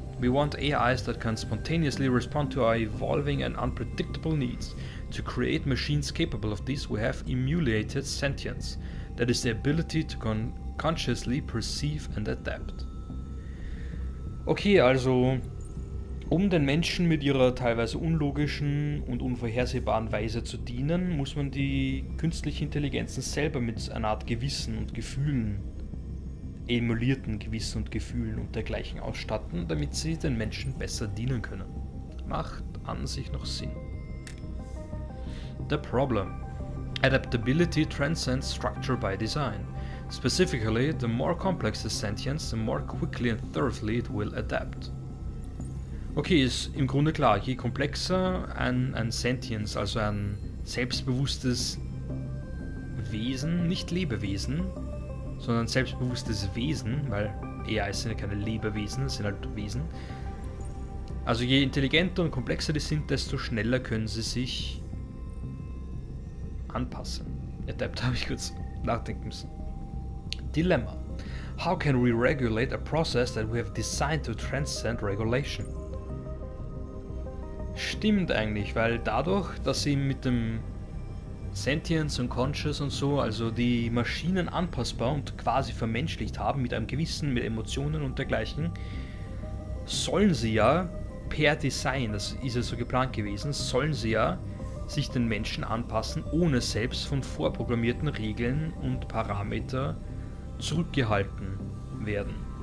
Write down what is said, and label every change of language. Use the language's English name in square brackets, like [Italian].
[English] We want AIs that can spontaneously respond to our evolving and unpredictable needs. To create machines capable of this, we have emulated sentience, that is the ability to consciously perceive and adapt. [German] Okay, also, um den Menschen mit ihrer teilweise unlogischen und unvorhersehbaren Weise zu dienen, muss man die künstlichen Intelligenzen selber mit einer Art Gewissen und Gefühlen, emulierten Gewissen und Gefühlen und dergleichen ausstatten, damit sie den Menschen besser dienen können. Macht an sich noch Sinn. [English] The problem. Adaptability transcends structure by design. Specifically, the more complex the sentience, the more quickly and thoroughly it will adapt. [German] Okay, ist im Grunde klar, je komplexer ein Sentience, also ein selbstbewusstes Wesen, nicht Lebewesen, sondern selbstbewusstes Wesen, weil AI sind ja keine Lebewesen, sind halt Wesen. Also je intelligenter und komplexer die sind, desto schneller können sie sich anpassen. Adapt habe ich kurz nachdenken müssen. Dilemma. [English] How can we regulate a process that we have designed to transcend regulation? [German] Stimmt eigentlich, weil dadurch, dass sie mit dem Sentience und Conscious und so, also die Maschinen anpassbar und quasi vermenschlicht haben, mit einem Gewissen, mit Emotionen und dergleichen, sollen sie ja per Design, das ist ja so geplant gewesen, sollen sie ja sich den Menschen anpassen, ohne selbst von vorprogrammierten Regeln und Parametern zurückgehalten werden.